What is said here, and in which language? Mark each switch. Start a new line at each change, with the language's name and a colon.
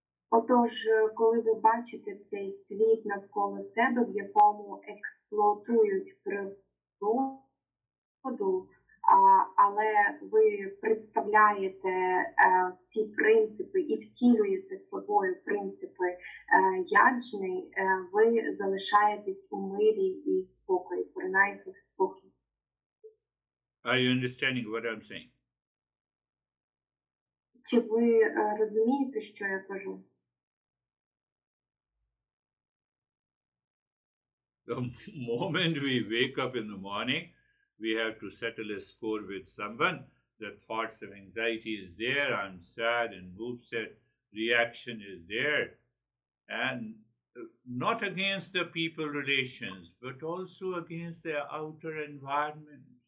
Ukrainian: Отож, коли ви бачите цей світ навколо себе, в якому експлуатують природу, але ви представляєте ці принципи і втілюєте собою принципи яджни, ви залишаєтесь у мирі і спокої, принаймні в спокій.
English: Are you understanding what I'm saying?
Ukrainian: Чи ви розумієте, що я кажу?
English: The moment we wake up in the morning, we have to settle a score with someone. The thoughts of anxiety is there, I'm sad and upset, reaction is there. And not against the people relations, but also against their outer environment.